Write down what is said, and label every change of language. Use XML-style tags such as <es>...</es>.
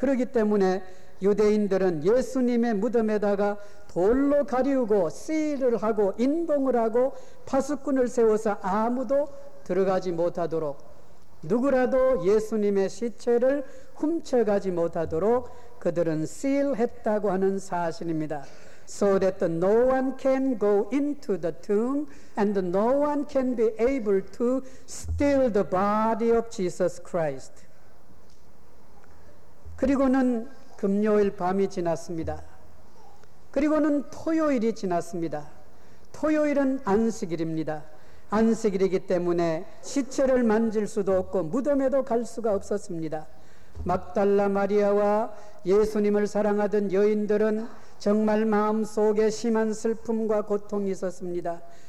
<ko>그렇기 때문에 유대인들은 예수님의 무덤에다가 돌로 가리우고 씰을 하고 인봉을 하고 파수꾼을 세워서 아무도 들어가지 못하도록 누구라도 예수님의 시체를 훔쳐가지 못하도록 그들은 씰했다고 하는 사실입니다.</ko> <en>So that the no one can go into the tomb and no one can be able to steal the body of Jesus Christ.</en> <ko>그리고는 금요일 밤이 지났습니다. 그리고는 토요일이 지났습니다. 토요일은 안식일입니다. 안식일이기 때문에 시체를 만질 수도 없고 무덤에도 갈 수가 없었습니다. 막달라 마리아와 예수님을 사랑하던 여인들은 정말 마음속에 심한 슬픔과 고통이 있었습니다.</ko>